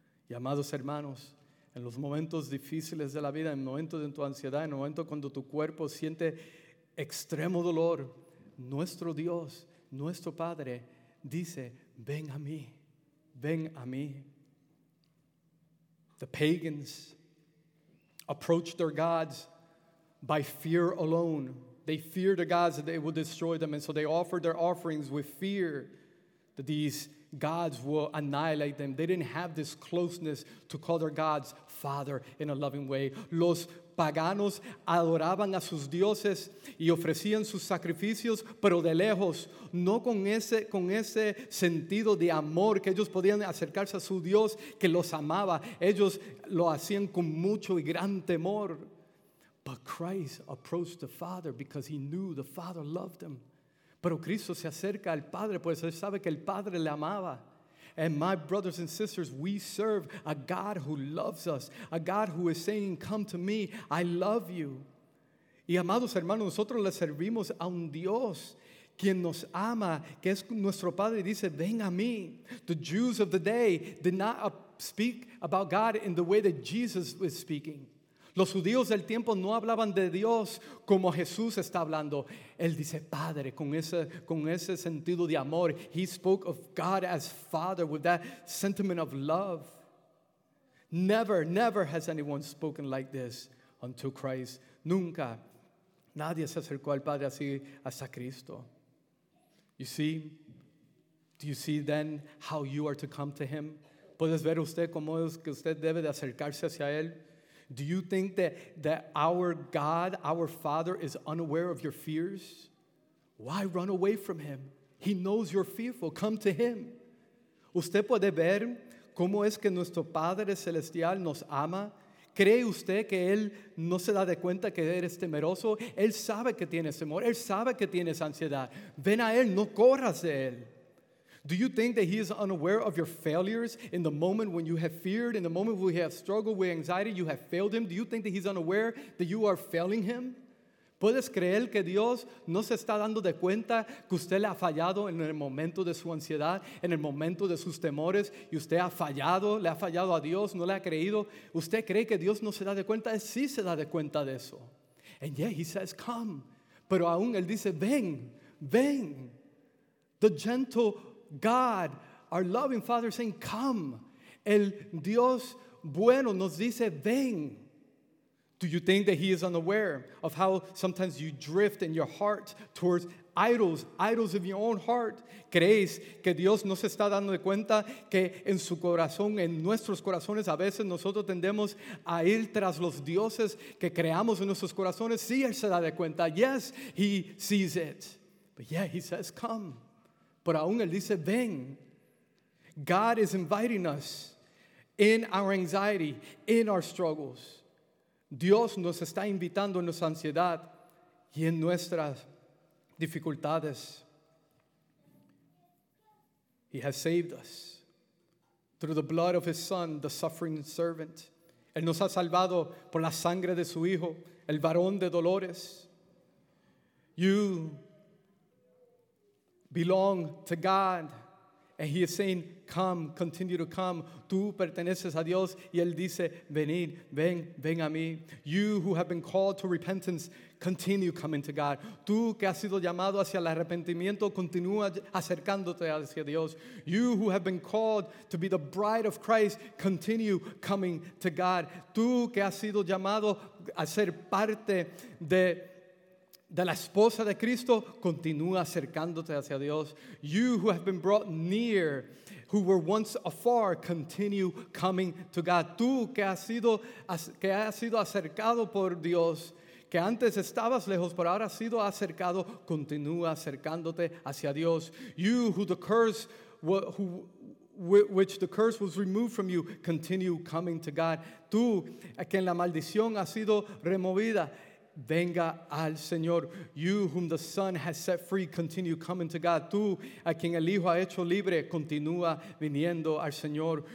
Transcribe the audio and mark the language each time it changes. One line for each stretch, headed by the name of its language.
Spanish: Y amados hermanos, en los momentos difíciles de la vida, en momentos de tu ansiedad, en el momento cuando tu cuerpo siente extremo dolor, nuestro Dios, nuestro Padre, dice, "Ven a mí, ven a mí."
English: The pagans approached their gods by fear alone. They feared the gods that they would destroy them, and so they offered their offerings with fear that these gods will annihilate them. They didn't have this closeness to call their gods Father in a loving way.
Spanish: Los paganos adoraban a sus dioses y ofrecían sus sacrificios, pero de lejos, no con ese sentido de amor que ellos podían acercarse a su Dios que los amaba. Ellos lo hacían con mucho y gran temor.
English: But Christ approached the Father because he knew the Father loved him.
Spanish: Pero Cristo se acerca al Padre, pues él sabe que el Padre le amaba.
English: And my brothers and sisters, we serve a God who loves us, a God who is saying, "Come to me, I love you."
Spanish: Y amados hermanos, nosotros le servimos a un Dios quien nos ama, que es nuestro Padre, dice, ven a mí.
English: The Jews of the day did not speak about God in the way that Jesus was speaking.
Spanish: Los judíos del tiempo no hablaban de Dios como Jesús está hablando. Él dice, Padre, con ese sentido de amor.
English: He spoke of God as Father with that sentiment of love. Never, never has anyone spoken like this unto Christ.
Spanish: Nunca. Nadie se acercó al Padre así hasta Cristo.
English: You see? Do you see then how you are to come to Him?
Spanish: ¿Puedes ver usted cómo es que usted debe de acercarse hacia Él?
English: Do you think that our God, our Father, is unaware of your fears? Why run away from Him? He knows you're fearful. Come to Him.
Spanish: ¿Usted puede ver cómo es que nuestro Padre Celestial nos ama? ¿Cree usted que Él no se da de cuenta que eres temeroso? Él sabe que tienes temor. Él sabe que tienes ansiedad. Ven a Él, no corras de Él.
English: Do you think that He is unaware of your failures in the moment when you have feared, in the moment when you have struggled with anxiety, you have failed Him? Do you think that He's unaware that you are failing Him?
Spanish: ¿Puedes creer que Dios no se está dando de cuenta que usted le ha fallado en el momento de su ansiedad, en el momento de sus temores, y usted ha fallado, le ha fallado a Dios, no le ha creído? ¿Usted cree que Dios no se da de cuenta? Él sí se da de cuenta de eso.
English: And yet He says, come.
Spanish: Pero aún Él dice, ven, ven.
English: The gentle God, our loving Father, saying, come.
Spanish: El Dios bueno nos dice, ven.
English: Do you think that He is unaware of how sometimes you drift in your heart towards idols, idols of your own heart?
Spanish: ¿Crees que Dios no se está dando de cuenta que en su corazón, en nuestros corazones, a veces nosotros tendemos a ir tras los dioses que creamos en nuestros corazones? Sí, Él se da de cuenta.
English: Yes, He sees it. But yeah, He says, come.
Spanish: Pero aún Él dice, ven.
English: God is inviting us in our anxiety, in our struggles.
Spanish: Dios nos está invitando en nuestra ansiedad y en nuestras dificultades.
English: He has saved us through the blood of His Son, the suffering servant.
Spanish: Él nos ha salvado por la sangre de su Hijo, el varón de dolores.
English: You belong to God. And He is saying, come, continue to come.
Spanish: Tú perteneces a Dios. Y Él dice, venid, ven, ven a mí.
English: You who have been called to repentance, continue coming to God.
Spanish: Tú que has sido llamado hacia el arrepentimiento, continúa acercándote hacia Dios.
English: You who have been called to be the bride of Christ, continue coming to God.
Spanish: Tú que has sido llamado a ser parte de la esposa de Cristo, continúa acercándote hacia Dios.
English: You who have been brought near, who were once afar, continue coming to God.
Spanish: Tú que has sido acercado por Dios, que antes estabas lejos, pero ahora has sido acercado, continúa acercándote hacia Dios.
English: You who the curse, which the curse was removed from you, continue coming to God.
Spanish: Tú a quien la maldición ha sido removida, venga al Señor.
English: You whom the Son has set free, continue coming to God.
Spanish: Tú a quien el Hijo ha hecho libre, continúa viniendo al Señor.